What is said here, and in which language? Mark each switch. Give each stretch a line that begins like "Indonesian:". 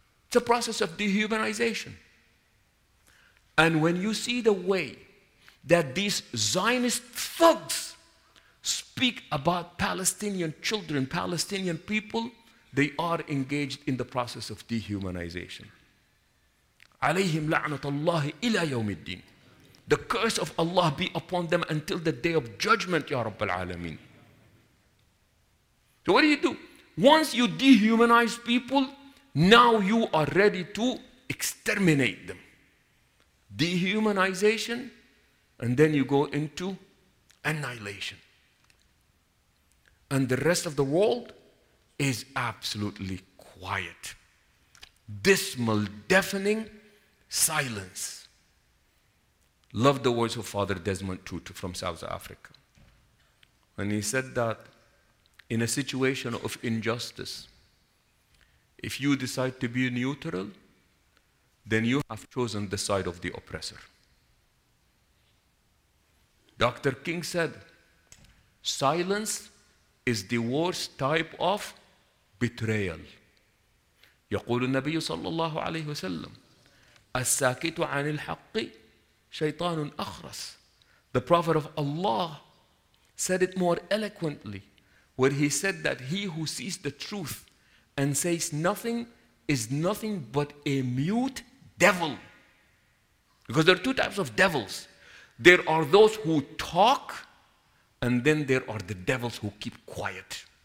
English: It's a process of dehumanization. And when you see the way that these Zionist thugs speak about Palestinian children, Palestinian people, they are engaged in the process of dehumanization.
Arabic: عليهم لعنة الله إلى يوم الدين.
English: The curse of Allah be upon them until the day of judgment,
Arabic: Ya Rabbi Al-Alamin.
English: So what do? Once you dehumanize people, now you are ready to exterminate them. Dehumanization, and then you go into annihilation. And the rest of the world is absolutely quiet. Dismal, deafening silence. Love the words of Father Desmond Tutu from South Africa. And he said that in a situation of injustice, if you decide to be neutral, then you have chosen the side of the oppressor. Dr. King said, silence is the worst type of betrayal.
Arabic: يقول النبي صلى الله عليه وسلم الساكت عن الحق شيطان أخرس.
English: The Prophet of Allah said it more eloquently, where he said that he who sees the truth and says nothing is nothing but a mute devil. Because there are two types of devils. There are those who talk, and then there are the devils who keep quiet.